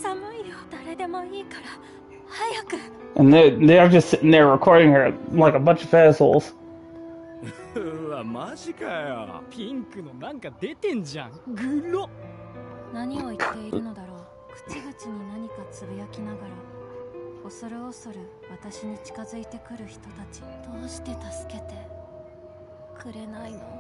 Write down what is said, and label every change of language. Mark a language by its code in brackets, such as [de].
[ja] 寒いよ誰でもいいから早く。 [en] And they're just sitting there recording her like a bunch of assholes. [ja] うわマジかよ。ピンクのなんか出てんじゃん。グロ。何を言っているのだろう。口々に何かつぶやきながら恐る恐る私に近づいてくる人たち。どうして助けてくれないの。